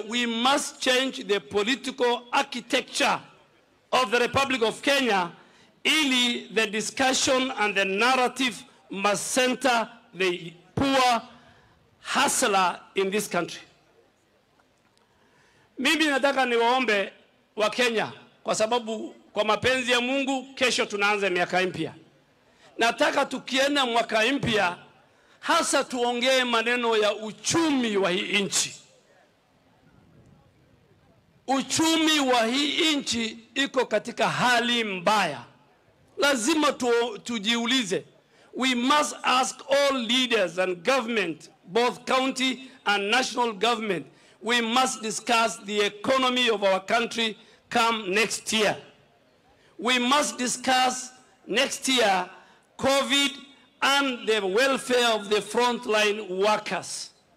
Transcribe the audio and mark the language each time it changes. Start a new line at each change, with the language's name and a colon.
English: We must change the political architecture of the Republic of Kenya, ili the discussion and the narrative must center the poor hustler in this country.
Swahili: Mimi nataka niwaombe wa Kenya, kwa sababu kwa mapenzi ya Mungu kesho tunaanza miaka mpya. Nataka tukienda mwaka mpya hasa tuongee maneno ya uchumi wa hii nchi. Uchumi wa hii nchi iko katika hali mbaya. Lazima tujiulize.
English: We must ask all leaders and government, both county and national government, we must discuss the economy of our country come next year. We must discuss next year COVID and the welfare of the frontline workers.